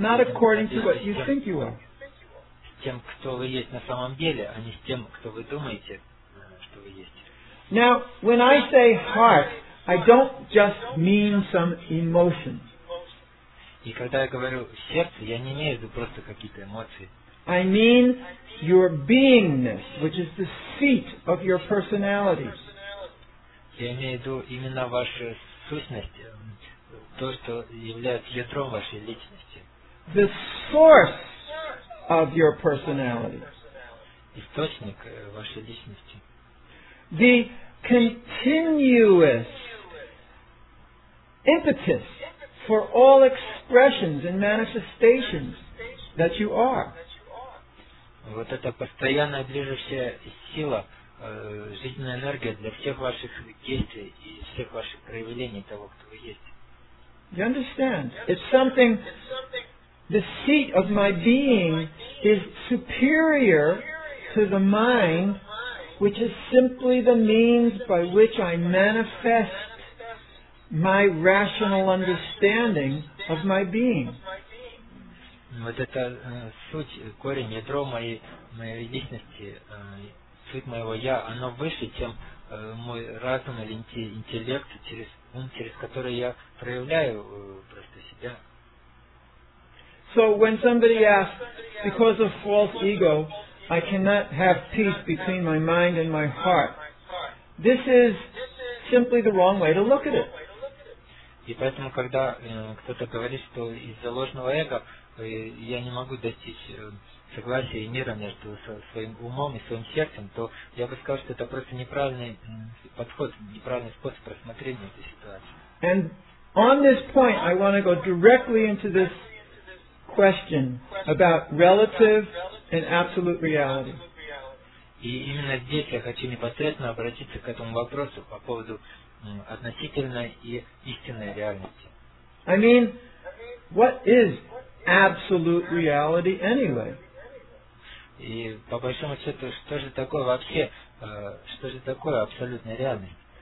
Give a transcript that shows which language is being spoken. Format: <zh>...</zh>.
<en>Not according to what you think you are.</en> <ru>С тем, кто вы есть на самом деле, а не с тем, кто вы думаете, что вы есть.</ru> <en>Now, when I say heart, I don't just mean some emotions.</en> <ru>И когда я говорю сердце, я не имею в виду просто какие-то эмоции.</ru> <en>I mean your beingness, which is the seat of your personality.</en> <ru>Я имею в виду именно вашу сущность, то, что является ядром вашей личности.</ru> <en>The source of your personality.</en> <ru>Источник вашей личности.</ru> <en>The continuous impetus for all expressions and manifestations that you are.</en> <ru>Вот эта постоянная движущая сила, жизненная энергия для всех ваших действий и всех ваших проявлений того, кто вы есть.</ru> <en>You understand? It's something, the seat of my being is superior to the mind, which is simply the means by which I manifest my rational understanding of my being.</en> <ru>Вот это суть, корень, ядро моей личности, суть моего я, оно выше, чем мой разум или интеллект, через ум, через который я проявляю просто себя.</ru> <en>So when somebody asks, because of false ego, I cannot have peace between my mind and my heart. This is simply the wrong way to look at it.</en> <ru>И поэтому, когда кто-то говорит, что из-за ложного эго я не могу достичь согласия и мира между своим умом и своим сердцем, то я бы сказал, что это просто неправильный подход, неправильный способ рассмотрения этой ситуации.</ru> <en>And on this point, I want to go directly into this question about relative and absolute reality.</en> <ru>И именно здесь я хочу непосредственно обратиться к этому вопросу по поводу относительной и истинной реальности.</ru> <en>I mean, what is absolute reality anyway?</en> <ru>И по большому счету, что же такое вообще, что же такое абсолютная реальность?</ru>